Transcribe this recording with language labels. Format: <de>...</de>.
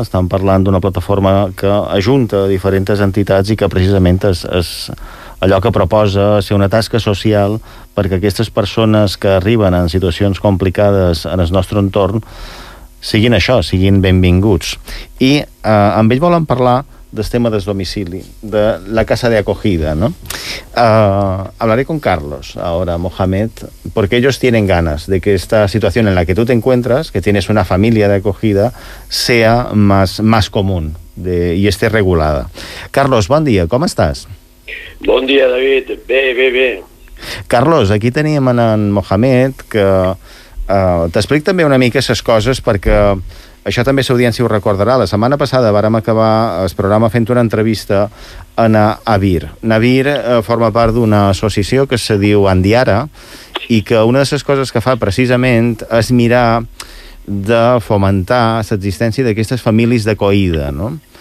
<ca>Estan parlant d'una plataforma que ajunta diferents entitats i que precisament és allò que proposa ser una tasca social perquè aquestes persones que arriben en situacions complicades en el nostre entorn siguin això, siguin benvinguts. I amb ell volen parlar del tema del domicili, de la</ca> <es>casa de acogida,</es> <ca>no?</ca> <es>Hablaré con Carlos ahora, Mohamed, porque ellos tienen ganas de que esta situación en la que tú te encuentras, que tienes una familia de acogida, sea más común y esté regulada. Carlos, buen día, ¿cómo estás? Buen día, David.</es> <ca>Bé. Carlos, aquí teníem en Mohamed, que t'explico també una mica</ca> <es>esas</es> <ca>coses perquè... Això també l'audiència ho recordarà. La setmana passada vàrem acabar el programa fent una entrevista a Navir. Navir forma part d'una associació que se diu Andiara i que una de les coses que fa precisament és mirar de fomentar l'existència d'aquestes famílies d'acollida, no?</ca>